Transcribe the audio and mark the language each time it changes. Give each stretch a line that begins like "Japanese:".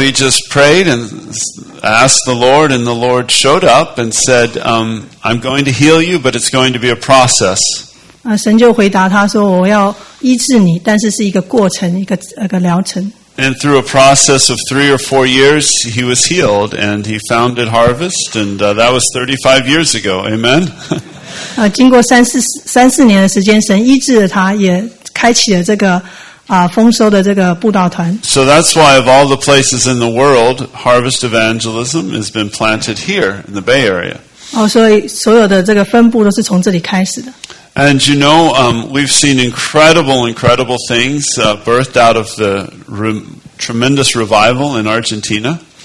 English: he just prayed and asked the Lord, and the Lord showed up and said, I'm going to heal you, but it's going to be a process.
Chinese: 神就回答他说，我要医治你，但是是一个过程，一个疗程。
English: And through a process of 3 or 4 years, he was healed, and he founded Harvest, and that was 35 years ago. Amen?
Chinese: 经过三四年的时间，神医治了他，也开启了这个丰收的这个布道团。
English: So that's why of all the places in the world, Harvest Evangelism has been planted here in the Bay Area.
Chinese: 所以所有的这个分布都是从这里开始的。
English: And you know, we've seen incredible, incredible things birthed out of the tremendous revival in Argentina.